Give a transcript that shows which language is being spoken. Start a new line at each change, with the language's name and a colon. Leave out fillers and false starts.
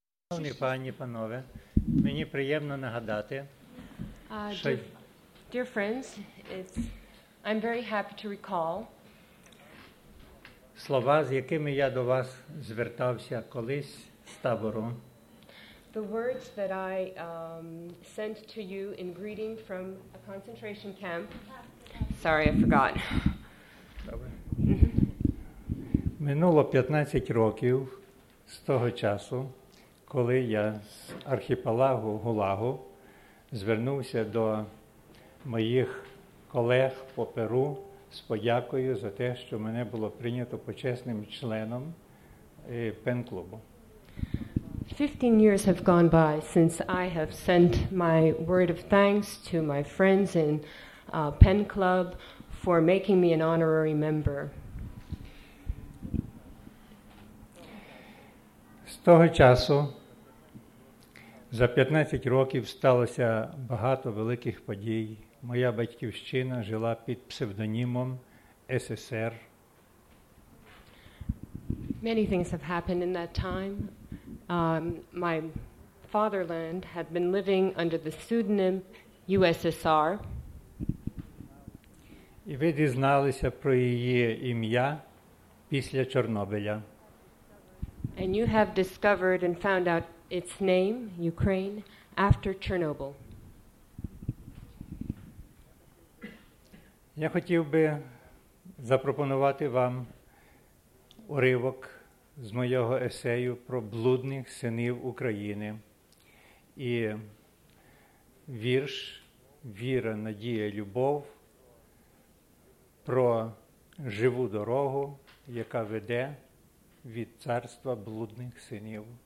Ukrainian: Шановні пані, панове, мені приємно нагадати, що...
English: Dear friends, I'm very happy to recall
Ukrainian: слова, з якими я до вас звертався колись з табору.
English: The words that I sent to you in greeting from a concentration camp. Sorry, I forgot.
Ukrainian: Минуло 15 років з того часу, коли я з архіпелагу ГУЛАГу звернувся до моїх колег по Перу з подякою за те, що мене було прийнято почесним членом
English: pen club. 15 years have gone by since I have sent my word of thanks to my friends in pen club for making me an honorary member.
Ukrainian: З того часу за 15 років сталося багато великих подій. Моя батьківщина жила під псевдонімом СССР.
English: Many things have happened in that time. My fatherland had been living under the pseudonym USSR.
Ukrainian: І ви дізналися про її ім'я після Чорнобиля.
English: And you have discovered and found out its name, Ukraine, after Chernobyl.
Ukrainian: Я хотів би запропонувати вам уривок з моєго есею про блудних синів України і вірш «Віра, надія, любов» про живу дорогу, яка веде від царства блудних синів.